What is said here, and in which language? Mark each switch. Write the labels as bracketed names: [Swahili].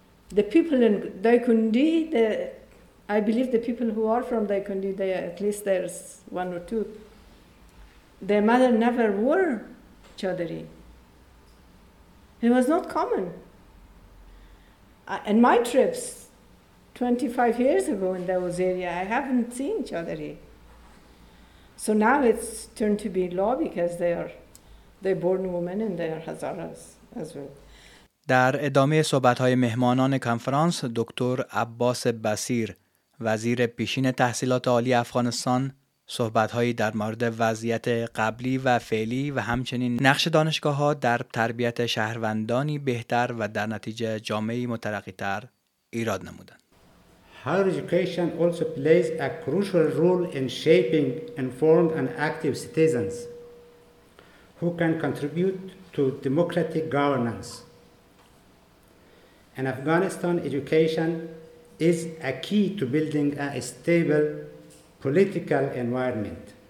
[English] The people in Dikundi, I believe the people who are from Dikundi, at least there's one or two, their mother never wore chadari. It was not common. In my trips, 25 years ago in those area, I haven't seen chadari. So now it's turned to be law because they are They born women in their Hazaras as well. [Persian] در ادامه صحبت‌های مهمانان کنفرانس، دکتر عباس بصیر، وزیر پیشین تحصیلات عالی افغانستان، صحبت‌هایی در مورد وضعیت قبلی و فعلی و همچنین نقش دانشگاه‌ها در تربیت شهروندانی بهتر و در نتیجه جامعه‌ای مترقی‌تر ایراد نمودند. [English] Higher education also plays a crucial role in shaping informed and active citizens who can contribute to democratic governance. In Afghanistan, education is a key to building a stable political environment.